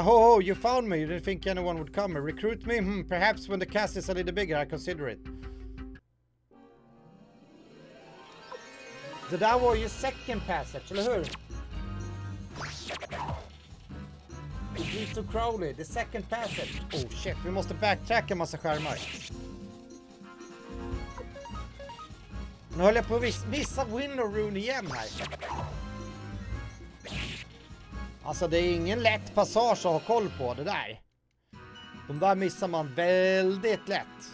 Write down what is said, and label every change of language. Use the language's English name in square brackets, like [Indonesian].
[English] Ho, you found me. You didn't think anyone would come. Recruit me? Perhaps when the cast is a little bigger, I consider it. [Swedish] Det där var ju second passage, eller hur? [English] It's so Crowley, the second passage. Oh shit, [Swedish] vi måste backtracka en massa skärmar. Nu håller jag på att missa Window Rune igen här. Alltså det är ingen lätt passage att ha koll på det där. De där missar man väldigt lätt.